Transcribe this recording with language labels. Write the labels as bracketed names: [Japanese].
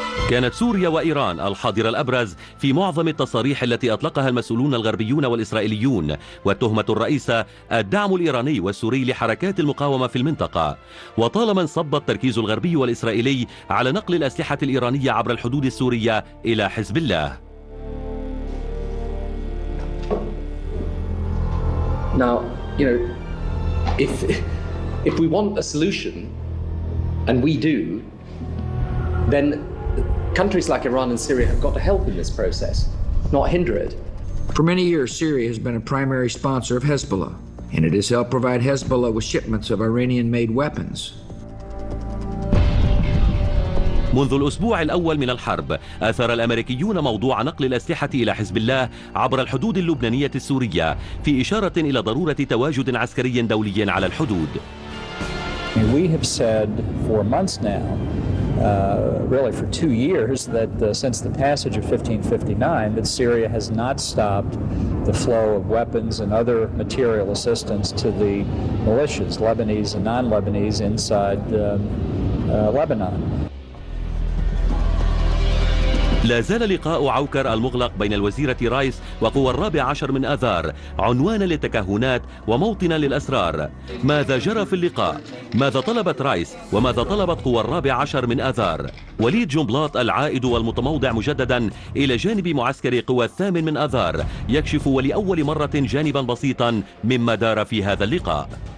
[Arabic] كانت سوريا وإيران الحاضر الأبرز في معظم التصاريح التي أطلقها المسؤولون الغربيون والإسرائيليون، والتهمة الرئيسة الدعم الإيراني والسوري لحركات المقاومة في المنطقة. وطالما انصب التركيز الغربي والإسرائيلي على نقل الأسلحة الإيرانية عبر الحدود السورية إلى حزب الله. [English] Now, you know, if we want a solution, and we do, then countries like Iran and Syria have got to help in this process, not hinder it. For many years, Syria has been a primary sponsor of Hezbollah, and it has helped provide Hezbollah with shipments of Iranian-made weapons. [Arabic] منذ الأسبوع الأول من الحرب أثار الأمريكيون موضوع نقل الأسلحة إلى حزب الله عبر الحدود اللبنانية السورية في إشارة إلى ضرورة تواجد عسكري دولي على الحدود. [English] We have said for months now, really for 2 years, that since the passage of 1559, that Syria has not stopped the flow of weapons and other material assistance to the militias, Lebanese and non-Lebanese, inside Lebanon. [Arabic] لا زال لقاء عوكر المغلق بين الوزيرة رايس وقوى الرابع عشر من آذار عنوانا للتكهنات وموطنا للأسرار. ماذا جرى في اللقاء؟ ماذا طلبت رايس؟ وماذا طلبت قوى الرابع عشر من آذار؟ وليد جنبلاط العائد والمتموضع مجددا إلى جانب معسكر قوى الثامن من آذار يكشف ولأول مرة جانبا بسيطا مما دار في هذا اللقاء.